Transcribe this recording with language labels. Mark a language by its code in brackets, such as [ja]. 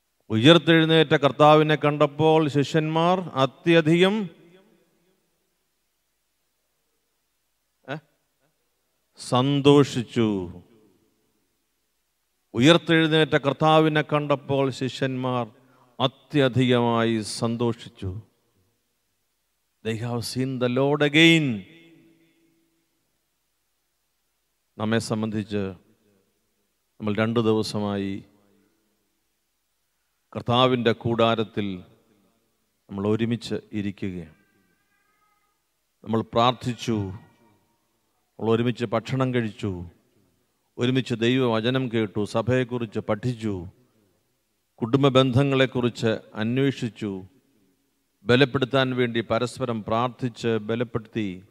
[ml] ഉയർത്തെഴുന്നേറ്റ കർത്താവിനെ കണ്ടപ്പോൾ ശിഷ്യന്മാർ അത്യധികം സന്തോഷിച്ചു. ഉയർത്തെഴുന്നേറ്റ കർത്താവിനെ കണ്ടപ്പോൾ ശിഷ്യന്മാർ അത്യധികമായി സന്തോഷിച്ചു. [en] They have seen the Lord again. [ml] നമ്മെ സംബന്ധിച്ച് നമ്മൾ രണ്ടു ദിവസമായി കർത്താവിൻ്റെ കൂടാരത്തിൽ നമ്മൾ ഒരുമിച്ച് ഇരിക്കുകയാണ്. നമ്മൾ പ്രാർത്ഥിച്ചു, നമ്മൾ ഒരുമിച്ച് ഭക്ഷണം കഴിച്ചു, ഒരുമിച്ച് ദൈവവചനം കേട്ടു, സഭയെക്കുറിച്ച് പഠിച്ചു, കുടുംബ ബന്ധങ്ങളെക്കുറിച്ച് അന്വേഷിച്ചു, ബലപ്പെടുത്താൻ വേണ്ടി പരസ്പരം പ്രാർത്ഥിച്ച് ബലപ്പെടുത്തി.